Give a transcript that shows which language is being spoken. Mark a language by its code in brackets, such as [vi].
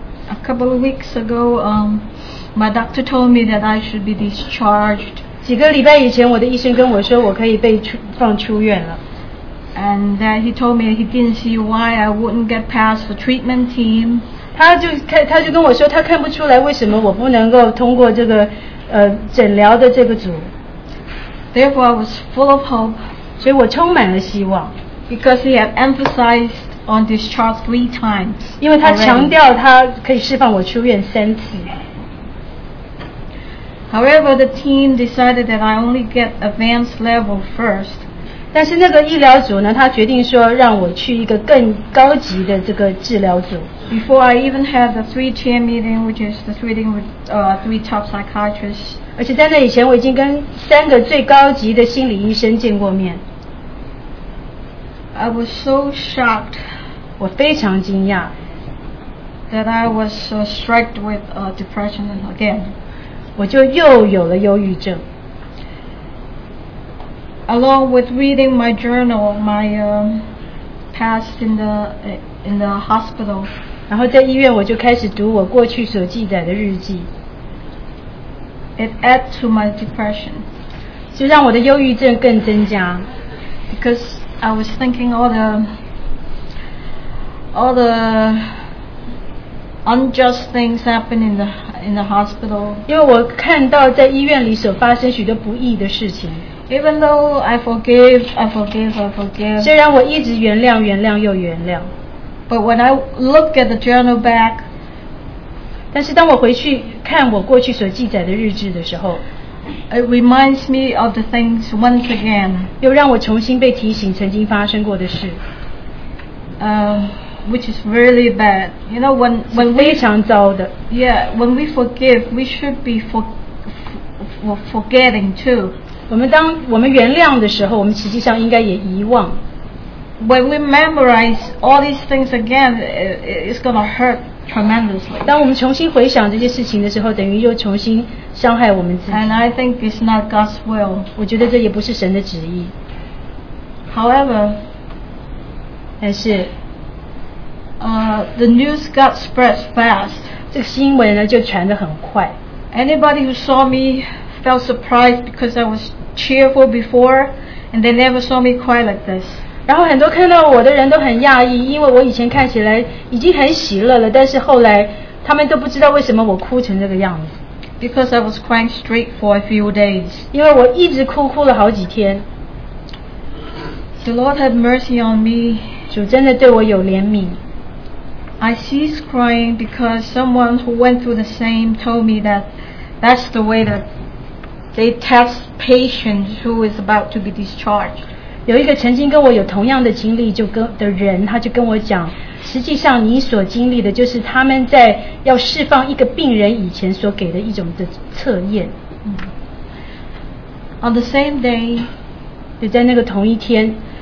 [en] A couple of weeks ago, my doctor told me that I should be discharged. [zh] 几个礼拜以前，我的医生跟我说我可以被放出院了。 [en] And then he told me he didn't see why I wouldn't get past the treatment team. [zh] 他就跟我说他看不出来为什么我不能够通过这个诊疗的这个组。 [en] Therefore, I was full of hope. [zh] 所以我充满了希望。 [en] Because he had emphasized. On discharge 3 times, [zh] 因为他强调他可以释放我出院三次。 [en] However, the team decided that I only get advanced level first. [zh] 但是那个医疗组呢，他决定说让我去一个更高级的这个治疗组。 [en] Before I even had the 3-tier meeting, which is the meeting with three top psychiatrists. [zh] 而且在那以前，我已经跟三个最高级的心理医生见过面。 [en] I was so shocked. [zh] 我非常惊讶 [en] that I was struck with depression again. [zh] 我就又有了忧郁症 [en] Along with reading my journal, my past in the hospital. [zh] 然后在医院我就开始读我过去所记载的日记 [en] It add to my depression. [zh] 就让我的忧郁症更增加。 [en] Because I was thinking all the unjust things happen in the hospital. [zh] 因为我看到在医院里所发生许多不义的事情。 [en] Even though I forgive. [zh] 虽然我一直原谅，原谅又原谅。 [en] But when I look at the journal back, [zh] 但是当我回去看我过去所记载的日志的时候， [en] it reminds me of the things once again. [zh] 又让我重新被提醒曾经发生过的事。 [en] Which is really bad. You know, when [zh] 非常糟的。 [en] Yeah, when we forgive, we should be forgetting too. [zh] 我们当我们原谅的时候，我们实际上应该也遗忘。 [en] When we memorize all these things again, it's going to hurt tremendously. [zh] 当我们重新回想这些事情的时候，等于又重新伤害我们自己。 [en] And I think it's not God's will. [zh] 我觉得这也不是神的旨意。 [en] However, [zh] 但是 [en] the news got spread fast. [zh] 这个新闻呢就传得很快。 [en] Anybody who saw me felt surprised because I was cheerful before, and they never saw me cry like this. [zh] 然后很多看到我的人都很讶异，因为我以前看起来已经很喜乐了，但是后来他们都不知道为什么我哭成这个样子。 [en] Because I was crying straight for a few days. [zh] 因为我一直哭，哭了好几天。 [en] The Lord had mercy on me. [zh] 主真的对我有怜悯。 [en] I ceased crying because someone who went through the same told me that that's the way that they test patients who is about to be discharged. [zh] 有一个曾经跟我有同样的经历就跟的人，他就跟我讲，实际上你所经历的就是他们在要释放一个病人以前所给的一种的测验。 [en] On the same day, [zh] 就在那个同一天，